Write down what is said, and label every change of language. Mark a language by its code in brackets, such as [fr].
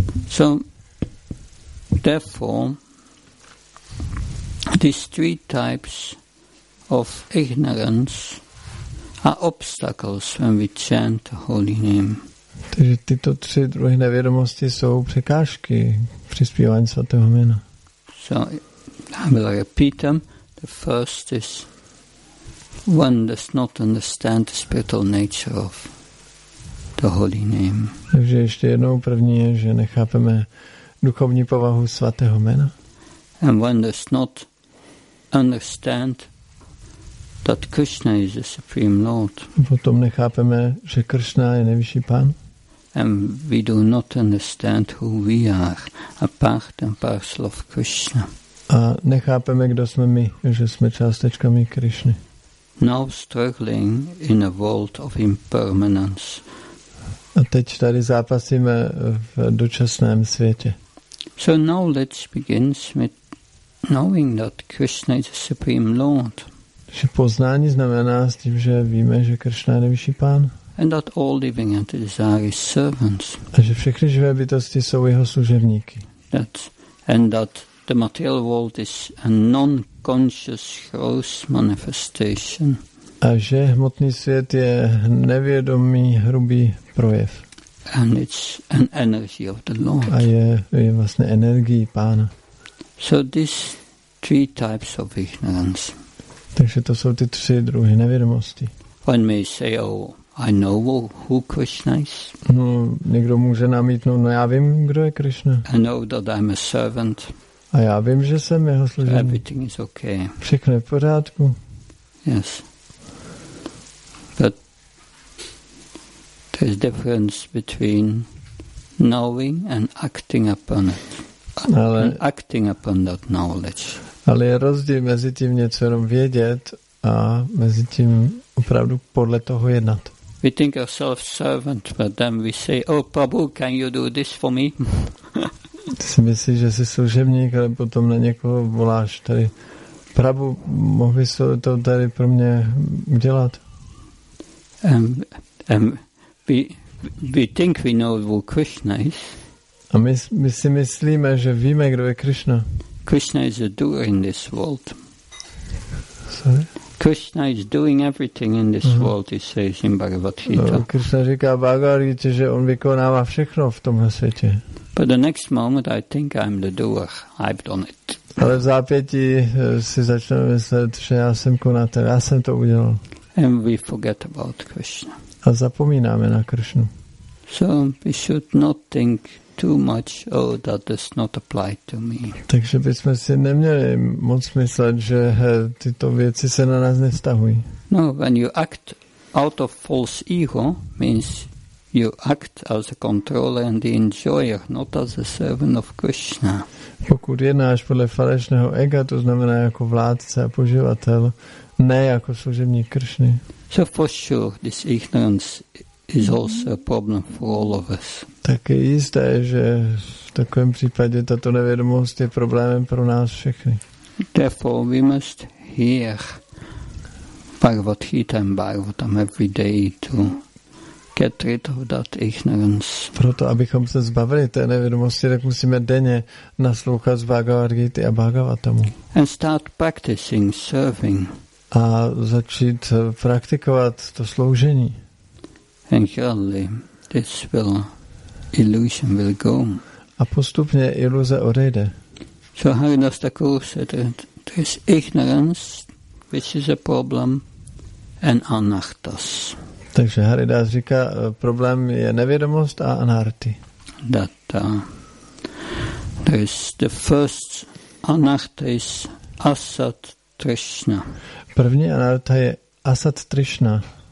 [en] So, therefore, these three types of ignorance are obstacles when we chant the holy name. [cs] Takže tyto tři druhy nevědomosti jsou překážky při zpívání svatého jména. [en] So, I will repeat them. The first is one does not understand the spiritual nature of the holy name. [cs] Takže ještě jednou první je, že nechápeme duchovní povahu svatého jména. [en] And one does not understand that Krishna is the supreme Lord. [cs] Potom nechápeme, že Krishna je nejvyšší pán. [en] And we do not understand who we are, a part and parcel of Krishna. [cs] A nechápeme, kdo jsme my, že jsme částečkami Krishny. [en] Now struggling in a world of impermanence. [cs] A teď tady zápasíme v dočasném světě. [en] So knowledge begins with knowing that Krishna is the supreme Lord. [cs] Že poznání znamená s tím, že víme, že Krishna je nejvyšší pán. [en] And that all living entities are his servants. [cs] A že všechny živé bytosti jsou jeho služebníky. [en] That, and that the material world is a non-conscious gross manifestation. [cs] A že hmotný svět je nevědomý hrubý projev. [en] And it's an energy of the Lord. [cs] A je vlastně energie pána. [en] So these three types of ignorance. [cs] Takže to jsou ty tři druhy nevědomosti. [en] One may say, oh, I know who Krishna is. [cs] No, někdo může namítnout, no já vím, kdo je Krishna. [en] I know that I'm a servant. [cs] A já vím, že jsem jeho služebník. [en] Everything is okay. [cs] Všechno je v pořádku. [en] Yes. But there's difference between knowing and acting upon it. [cs] Ale, [en] and acting upon that knowledge. [cs] Ale je rozdíl mezi tím něco jenom vědět a mezi tím opravdu podle toho jednat. [en] We think ourselves servant, but then we say, oh, Prabhu, can you do this for me? [cs] Ty si myslíš, že jsi služebník, ale potom na někoho voláš tady. Prabhu, mohl bys to tady pro mě udělat? [en] We think we know who Krishna is. [cs] A my si myslíme, že víme, kdo je Krishna. [en] Krishna is a doer in this world. Sorry? Krishna is doing everything in this world, he says in Bhagavad Gita. [cs] Krishna říká Bhagavad Gita, že on vykonává všechno v tomhle světě. [en] But the next moment I think I'm the doer. I've done it. [cs] Ale v zápětí si začneme myslet, že já jsem konatel, já jsem to udělal. [en] And we forget about Krishna. [cs] A zapomínáme na Krishnu. [en] So we should not think too much, oh, that does not apply to me. [cs] Takže bychom si neměli moc myslet, že tyto věci se na nás nevztahují. [en] No, when you act out of false ego, means you act as a controller and the enjoyer, not as a servant of Krishna. [cs] Pokud jednáš podle falešného ega, to znamená jako vládce a poživatel, ne jako služebník Krishny. [en] So for sure, this ignorance is also a problem for all of us. [cs] Tak je jisté, že v takovém případě tato nevědomost je problémem pro nás všechny. [en] Therefore we must hear Bhagavad Gita and Bhagavatam every day to get rid of that ignorance. [cs] Proto, abychom se zbavili té nevědomosti, tak musíme denně naslouchat z Bhagavad Gita a Bhagavatamu. [en] And start practicing serving. [cs] A začít praktikovat to sloužení. [en] And surely this will, illusion will go. [cs] A postupně iluze odejde. [en] So Haridas Thakur said that there is ignorance, which is a problem, and anarthas. [cs] Takže Haridas říká, problém je nevědomost a anarty. [en] That there is the first anartha is asat trishna. [cs] První anartha je asat trishna.